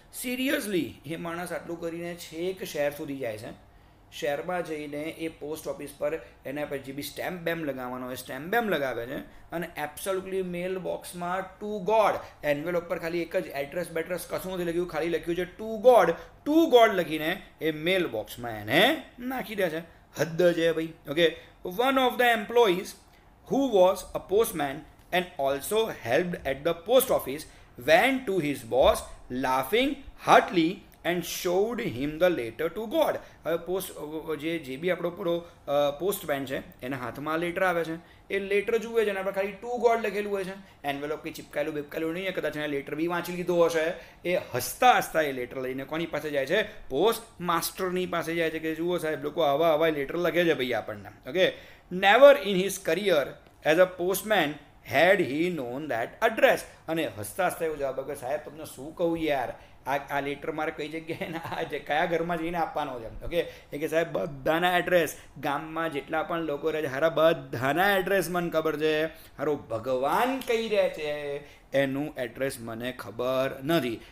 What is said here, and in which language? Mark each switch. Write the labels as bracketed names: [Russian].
[Gujarati] Seriously, એ માણસ આટલું કરીને છેક શહેર સુધી જાય છે, શહેરમાં જઈને એ પોસ્ટ ઓફિસ પર એના પછી બી સ્ટેમ્પ બેમ્પ લગાવવાનો હોય સ્ટેમ્પ બેમ્પ લગાવે છે અને એબ્સોલ્યુટલી મેલ બોક્સમાં ટુ ગોડ એન્વેલોપ પર ખાલી એક જ એડ્રેસ બેડ્રેસ કશું નથી લખ્યું, ખાલી લખ્યું છે ટુ ગોડ લખીને એ મેલ બોક્સમાં એને નાખી દે છે. હદ છે ભાઈ. [English] Okay, one of the employees who was a postman and also helped at the post office went to his boss laughing heartily and showed him the letter to god. [Gujarati] Post જે બી આપણો પૂરો પોસ્ટમેન છે એના હાથમાં letter આવે છે, એ letter જુએ છે અને આપણે ખાલી ટુ ગોડ લખેલું હોય છે, એન્વેલોપ કે ચિપકાયેલું બેપકાયેલું નહીં, કદાચ એને લેટર બી વાંચી લીધો હશે. એ હસતા હસતા એ લેટર લઈને કોની પાસે જાય છે? પોસ્ટ માસ્ટરની પાસે જાય છે કે જુઓ સાહેબ લોકો આવા આવા લેટર લખે છે ભાઈ આપણને. [English] Okay, never in his career as a postman had he known that address. [Gujarati] અને હસતા હસતા એવું જવાબ, સાહેબ તમને શું કહું યાર, આ લેટર મારે કઈ જગ્યાએ આ જે કયા ઘરમાં જઈને આપવાનો છે? ઓકે, એ કે સાહેબ બધાના એડ્રેસ, ગામમાં જેટલા પણ લોકો રહે છે હારા બધાના એડ્રેસ મને ખબર છે, હારો ભગવાન કહી રહે છે એનું એડ્રેસ મને ખબર નથી.